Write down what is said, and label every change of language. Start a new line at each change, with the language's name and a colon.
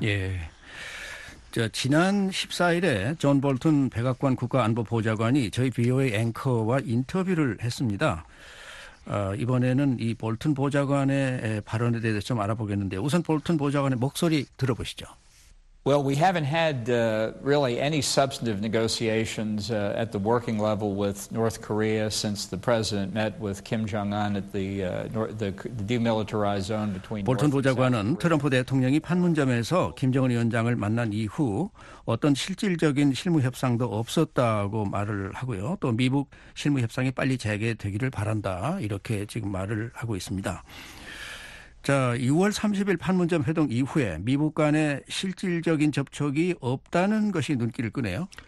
Korean: 예. 지난 14일에 존 볼튼 백악관 국가안보보좌관이 저희 BOA 앵커와 인터뷰를 했습니다. 이번에는 이 볼튼 보좌관의 발언에 대해서 좀 알아보겠는데 우선 볼튼 보좌관의 목소리 들어보시죠.
English: Well, we haven't had really any substantive negotiations at the working level with North Korea since the president met with Kim Jong-un at the demilitarized zone between
Korean: 볼튼 보좌관은 트럼프 대통령이 판문점에서 김정은 위원장을 만난 이후 어떤 실질적인 실무 협상도 없었다고 말을 하고요. 또 미북 실무 협상이 빨리 재개되기를 바란다. 이렇게 지금 말을 하고 있습니다. 자, 2월 30일 판문점 회동 이후에 미북 간의 실질적인 접촉이 없다는 것이 눈길을 끄네요.